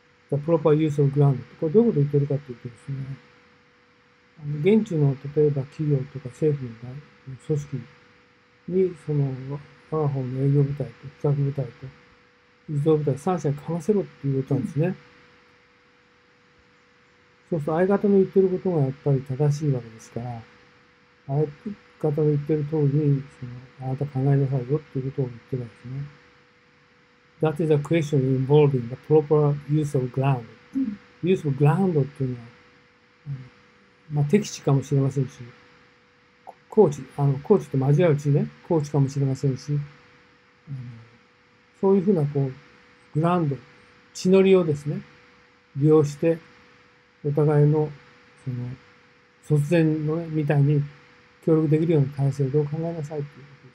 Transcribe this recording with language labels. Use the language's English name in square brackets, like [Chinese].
[English] プロパーユースオブグラウンド、 [Japanese] これどういうこと言ってるかというとですね、現地の例えば企業とか政府の組織にその我が方の営業部隊と企画部隊と輸送部隊3社にかませろっていうことなんですね。そうすると相方の言ってることがやっぱり正しいわけですから、相方の言ってる通りにそのあなた考えなさいよっていうことを言ってるわけですね。 [English] That is a question involving the proper use of ground. Use of ground [Japanese] っていうのは、まあ、敵地かもしれませんし、高地と交わる地ね、高地かもしれませんし、そういうふうな、こう、グラウンド、地の利をですね、利用して、お互いの、その、卒然の、ね、みたいに協力できるような体制をどう考えなさいっていう。